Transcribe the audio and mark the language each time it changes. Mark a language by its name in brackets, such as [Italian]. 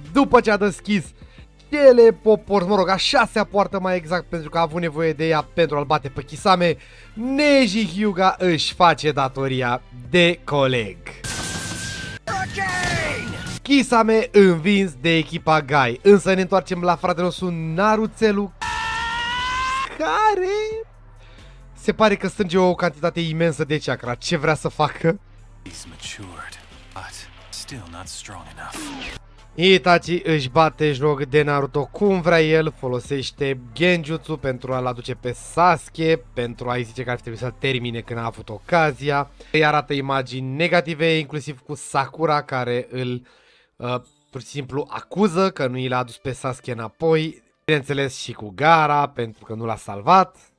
[Romanian] După ce a deschis cele popor, mă rog, a șasea poartă mai exact, pentru că a avut nevoie de ea pentru a-l bate pe Kisame, Neji Hyuga își face datoria de coleg. [English] Again! [Romanian] Kisame învins de echipa Gai, însă ne întoarcem la fratele nostru Naruțelu, care se pare că strânge o cantitate imensă de chakra. Ce vrea să facă? [English] He's matured, but still not strong enough. [Romanian] Itachi își bate joc de Naruto cum vrea el, folosește genjutsu pentru a-l aduce pe Sasuke, pentru a-i zice că ar trebui să-l termine când a avut ocazia. Îi arată imagini negative, inclusiv cu Sakura care îl pur și simplu acuză că nu i-l-a adus pe Sasuke înapoi, bineînțeles și cu Gaara pentru că nu l-a salvat.